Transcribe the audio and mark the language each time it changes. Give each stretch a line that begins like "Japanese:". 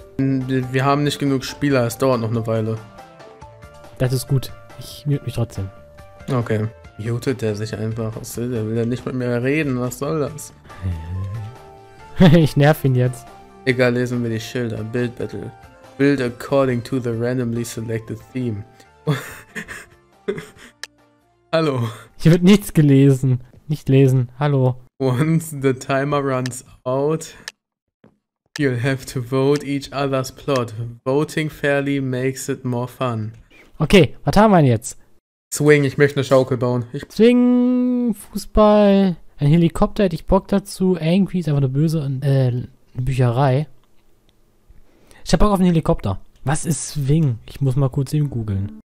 German: Wir haben nicht genug Spieler. Es dauert noch eine Weile. Das ist gut. Ich mute mich trotzdem. Okay. Mutet der sich einfach? Der will ja nicht mit mir reden. Was soll das? Ich nerv ihn jetzt. Egal, lesen wir die Schilder.
English: Build Battle. Build according to the randomly selected theme.
German: Hallo. Hier wird nichts gelesen. Nicht lesen. Hallo.
English: Once the timer runs out, you'll have to vote each other's plot. Voting fairly makes it more fun.
German: Okay, was haben wir denn jetzt? Swing, ich möchte eine Schaukel bauen. Swing, Fußball, ein Helikopter hätte ich Bock dazu. Angry ist einfach eine böse eine Bücherei. Ich hab Bock auf einen Helikopter. Was ist Swing? Ich muss mal kurz eben googeln.